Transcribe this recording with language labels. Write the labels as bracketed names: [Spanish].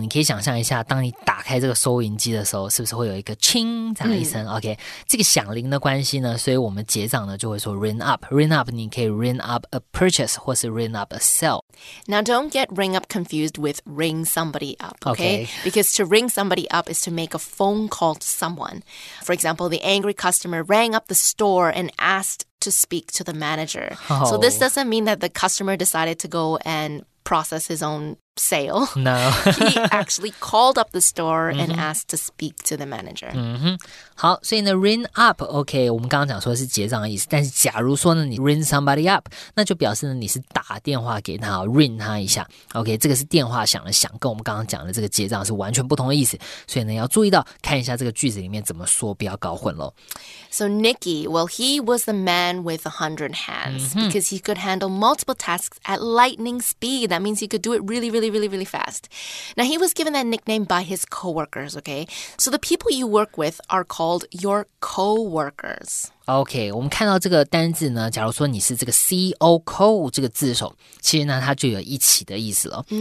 [Chinese] 你可以想象一下，当你打开这个收银机的时候，是不是会有一个轻这样的一声、？OK， 这个响铃的关系呢，所以我们结账呢就会说 [English] ring up。 ring up [Chinese] 你可以 [English] ring up a purchase [Chinese] 或是 [English] ring up a sale。 Now don't get ring up confused with ring somebody up. Okay? Because to ring somebody up is to make a phone call to someone. For example, the angry customer rang up the store and asked to speak to the manager.、 Oh. So this doesn't mean that the customer decided to go and process his own sale. No. He actually called up the store and asked to speak to the manager. [Chinese] 嗯哼，好，所以呢 ring up, OK, 我们刚刚讲说是结账的意思，但是假如说呢你 [English] ring somebody up, [Chinese] 那就表示呢你是打电话给他 ring 他一下。 OK, 这个是电话响了响，跟我们刚刚讲的这个结账是完全不同的意思，所以呢要注意到看一下这个句子里面怎么说，不要搞混咯。 [English] So Nicky, well, he was the man with 100 hands、 mm-hmm. because he could handle multiple tasks at lightning speed. That means he could do it really, really really, really, really fast. Now, he was given that nickname by his coworkers, okay? So the people you work with are called your coworkers. [Chinese] OK, 我们看到这个单字呢，假如说你是这个 C-O-C-O 这个字首，其实呢它就有一起的意思了。